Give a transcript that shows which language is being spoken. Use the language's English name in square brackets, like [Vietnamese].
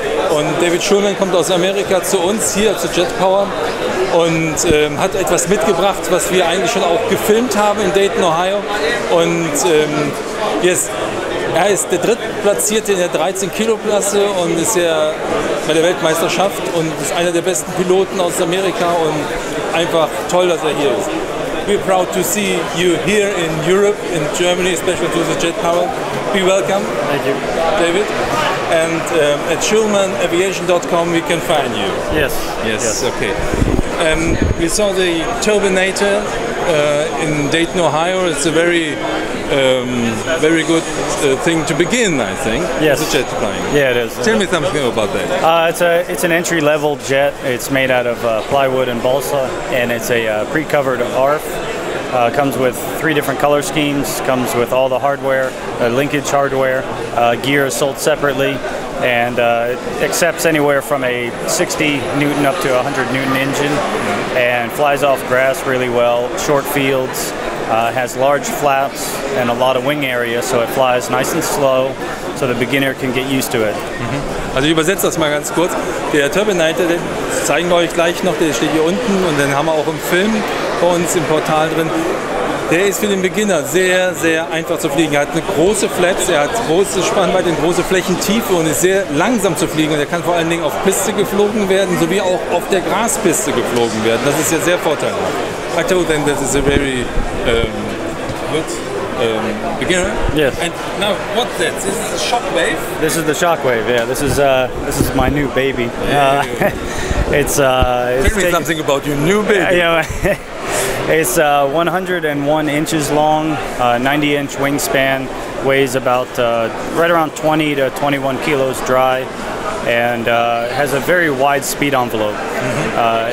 [German] Und David Shulman kommt aus Amerika zu uns hier, zu JetPower, und hat etwas mitgebracht, was wir eigentlich schon auch gefilmt haben in Dayton, Ohio. Und er ist der Drittplatzierte in der 13-Kilo-Klasse und ist ja bei der Weltmeisterschaft und ist einer der besten Piloten aus Amerika und einfach toll, dass er hier ist. [English] We're proud to see you here in Europe, in Germany, especially to the JetPower. Be welcome. Thank you. David. And at shulmanaviation.com we can find you. Yes. Yes, yes. Okay. We saw the Turbinator in Dayton, Ohio. It's a very very good thing to begin, I think. Yes. A jet plane. Yeah, it is. Tell me something about that. It's an entry-level jet. It's made out of plywood and balsa, and it's a pre-covered ARF. Comes with three different color schemes, comes with all the hardware, linkage hardware, gear is sold separately, and it accepts anywhere from a 60 Newton up to 100 Newton engine, and flies off grass really well, short fields, has large flaps and a lot of wing area, so it flies nice and slow, so the beginner can get used to it. [German] Mm-hmm. Also ich übersetze das mal ganz kurz. Der Turbinator, den zeigen wir euch gleich noch, der steht hier unten und den haben wir auch im Film bei uns im Portal drin. Der ist für den Beginner sehr, sehr einfach zu fliegen. Er hat eine große Flaps, er hat große Spannweite, große Flächentiefe und ist sehr langsam zu fliegen. Und er kann vor allen Dingen auf Piste geflogen werden, sowie auch auf der Graspiste geflogen werden. Das ist ja sehr vorteilhaft. [English] I told them that is a very good beginner. Yes. And now, what's that? This is a shockwave? This is the shockwave, yeah. This is my new baby. Tell me something about your new baby. It's 101 inches long, 90 inch wingspan, weighs about right around 20 to 21 kilos dry, and has a very wide speed envelope. Mm-hmm.